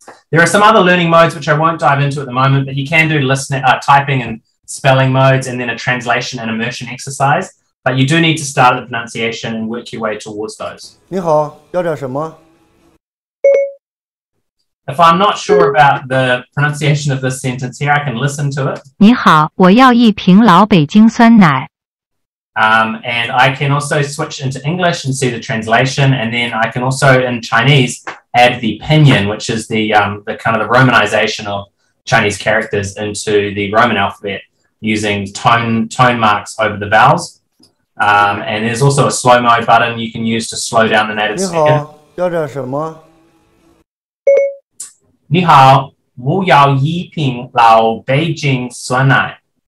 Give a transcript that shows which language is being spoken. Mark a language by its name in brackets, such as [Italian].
[English] There are some other learning modes which I won't dive into at the moment, but you can do typing and spelling modes, and then a translation and immersion exercise. But you do need to start at the pronunciation and work your way towards those. [Chinese] 你好，要点什么？ [English] If I'm not sure about the pronunciation of this sentence here, I can listen to it. [Chinese] 你好，我要一瓶老北京酸奶。 [English] And I can also switch into English and see the translation, and then I can also, in Chinese, add the pinyin, which is the kind of the romanization of Chinese characters into the Roman alphabet using tone marks over the vowels. And there's also a slow mode button you can use to slow down the native speaker. [Chinese] 你好，要点什么？你好，我要一瓶老北京酸奶。